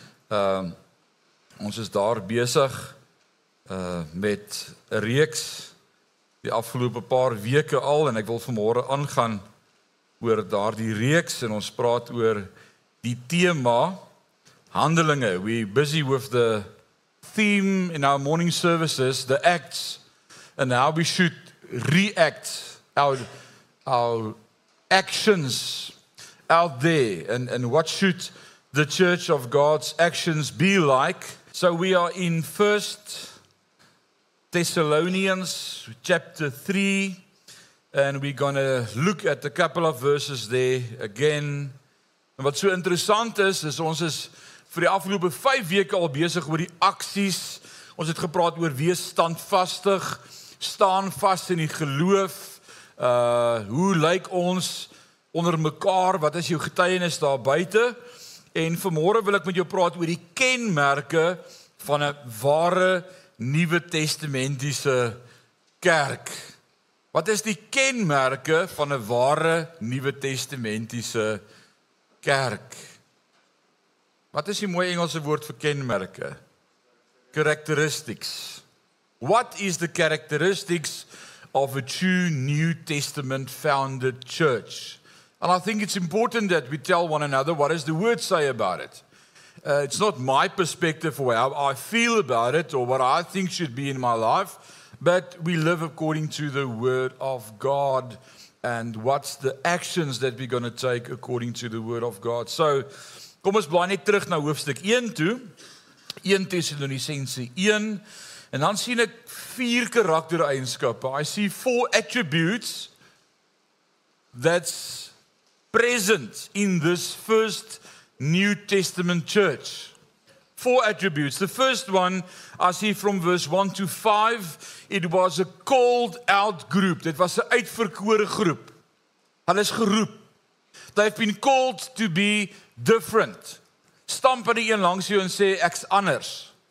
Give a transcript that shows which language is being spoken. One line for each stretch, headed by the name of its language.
Afrikaans: Ons is daar besig met 'n reeks die afgelope paar weke al, en ek wil vanmôre aangaan oor daardie reeks, en ons praat oor die tema Handelinge.
English: We busy with the theme in our morning services, the acts, and how we should react our actions out there, and what should the Church of God's actions be like. So we are in 1 Thessalonians chapter 3, and we're going to look at a couple of verses there again. And what's so
Afrikaans: interessant is ons is vir die afgelope 5 weke al besig oor die aksies. Ons het gepraat oor wees standvastig, staan vas in die geloof. Hoe lyk ons onder mekaar? Wat is jou getuienis daar buite? En vanmôre wil ek met jou praat oor die kenmerke van 'n ware Nuwe Testamentiese kerk. Wat is die kenmerke van 'n ware Nuwe Testamentiese kerk? Wat is die mooi Engelse woord vir kenmerke?
English: Characteristics. What is the characteristics of a true New Testament founded church? And I think it's important that we tell one another, what does the word say about it? It's not my perspective or how I feel about it or what I think should be in my life, but we live according to the word of God and what's the actions that we're going to take according to the word of God.
Afrikaans: So, kom ons blaai net terug na hoofstuk 1 toe, 1 Tessalonisense 1, en dan sien ek 4 karaktereigenskappe.
English: I see 4 attributes that's present in this first New Testament church. 4 attributes. The first one, I see from verse 1 to 5, it was a called out group.
Afrikaans: Dit was 'n uitverkore groep. Hulle is geroep.
English: They've been called to be different.
Afrikaans: Stamp aan die een langs jou en sê, ek's anders.